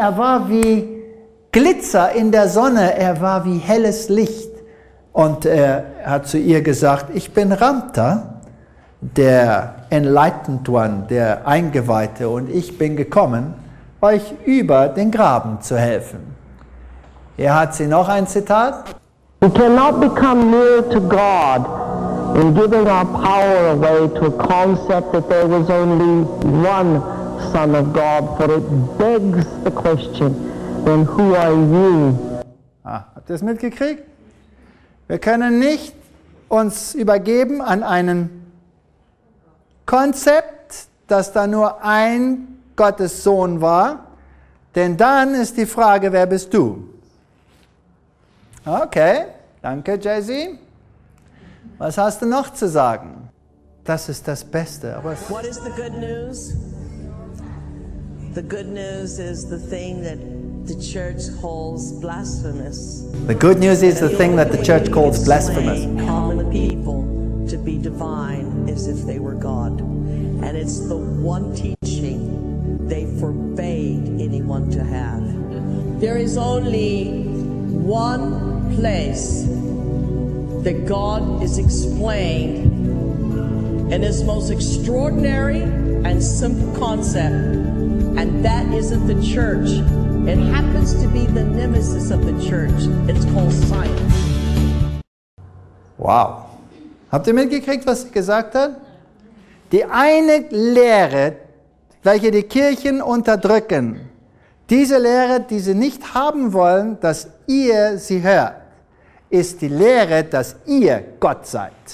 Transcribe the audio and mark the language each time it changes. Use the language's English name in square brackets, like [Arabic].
[German] Er war wie Glitzer in der Sonne, er war wie helles Licht. Und er hat zu ihr gesagt, ich bin Ramta, der Enlightened One, der Eingeweihte, und ich bin gekommen, euch über den Graben zu helfen. Hier hat sie noch ein Zitat. [English] We cannot become near to God in giving our power away to a concept that there was only one Son of God, for it begs the question, then who are you? [German] Habt ihr es mitgekriegt? Wir können nicht uns übergeben an einen Konzept, dass da nur ein Gottessohn war, denn dann ist die Frage, wer bist du? Okay, danke Jay-Z. Was hast du noch zu sagen? Das ist das Beste. [English] What is the good news? The good news is the thing that the church calls blasphemous. The good news is the thing that the church calls blasphemous. Calling the people to be divine as if they were God. And it's the one teaching they forbade anyone to have. There is only one place that God is explained in his most extraordinary and simple concept, and that isn't the church. It happens to be the nemesis of the church. It's called science. Wow. [German] Habt ihr mitgekriegt, was sie gesagt hat? Die eine Lehre, welche die Kirchen unterdrücken, diese Lehre, die sie nicht haben wollen, dass ihr sie hört, ist die Lehre, dass ihr Gott seid.